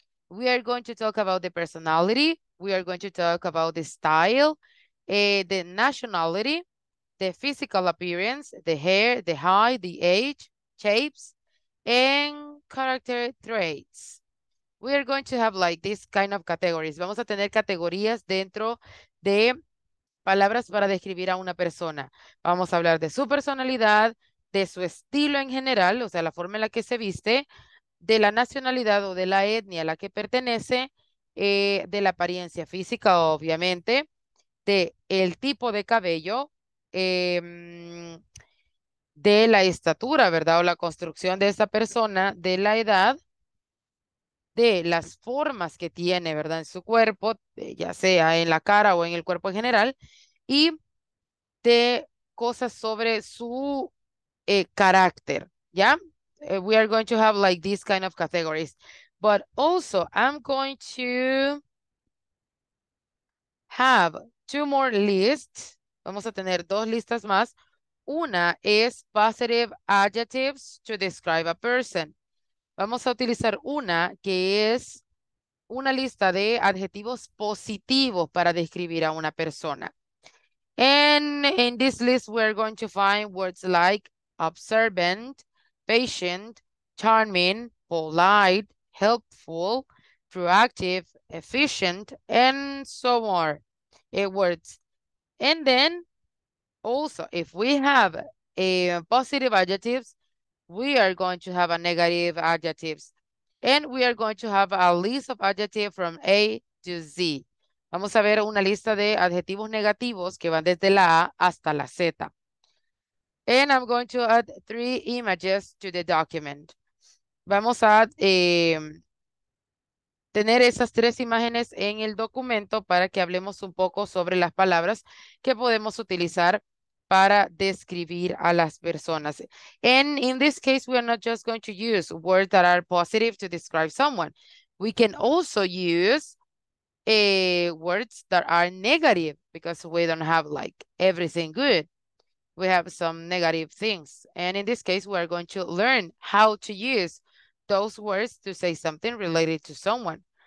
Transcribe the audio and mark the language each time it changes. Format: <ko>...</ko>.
<en>We are going to talk about the personality, we are going to talk about the style, the nationality, the physical appearance, the hair, the height, the age, shapes, and character traits. We are going to have like this kind of categories.</en> <es>Vamos a tener categorías dentro de palabras para describir a una persona. Vamos a hablar de su personalidad, de su estilo en general, o sea, la forma en la que se viste, de la nacionalidad o de la etnia a la que pertenece, de la apariencia física, obviamente, de el tipo de cabello, de la estatura, ¿verdad? O la construcción de esa persona, de la edad, de las formas que tiene, ¿verdad? En su cuerpo, ya sea en la cara o en el cuerpo en general, y de cosas sobre su carácter, ¿ya?</es> <en>We are going to have like these kind of categories. But also, I'm going to have two more lists.</en> <es>Vamos a tener dos listas más. Una es</es> <en>positive adjectives to describe a person.</en> <es>Vamos a utilizar una que es una lista de adjetivos positivos para describir a una persona.</es> <en>And in this list, we're going to find words like observant, patient, charming, polite, helpful, proactive, efficient, and so more words. And then also, if we have a positive adjectives, we are going to have a negative adjectives. And we are going to have a list of adjectives from A to Z.</en> <es>Vamos a ver una lista de adjetivos negativos que van desde la A hasta la Z.</es> <en>And I'm going to add three images to the document.</en> <es>Vamos a tener esas tres imágenes en el documento para que hablemos un poco sobre las palabras que podemos utilizar para describir a las personas.</es> <en>And in this case, we are not just going to use words that are positive to describe someone. We can also use words that are negative because we don't have like everything good. We have some negative things. And in this case, we're going to learn how to use those words to say something related to someone.</en>